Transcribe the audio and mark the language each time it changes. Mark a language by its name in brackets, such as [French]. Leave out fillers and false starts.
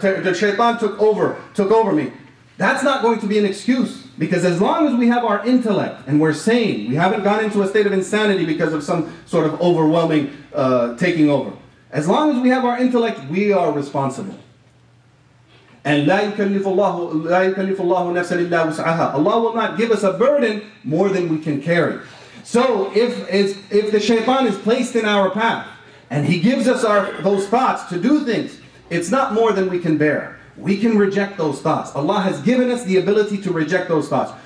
[English] The shaytan took over me. That's not going to be an excuse. Because as long as we have our intellect and we're sane, we haven't gone into a state of insanity because of some sort of overwhelming taking over. As long as we have our intellect, we are responsible. And [Arabic] لا يكلف الله نفسا إلا وسعها. [English] Allah will not give us a burden more than we can carry. So if the shaitan is placed in our path and he gives us those thoughts to do things, it's not more than we can bear. We can reject those thoughts. Allah has given us the ability to reject those thoughts.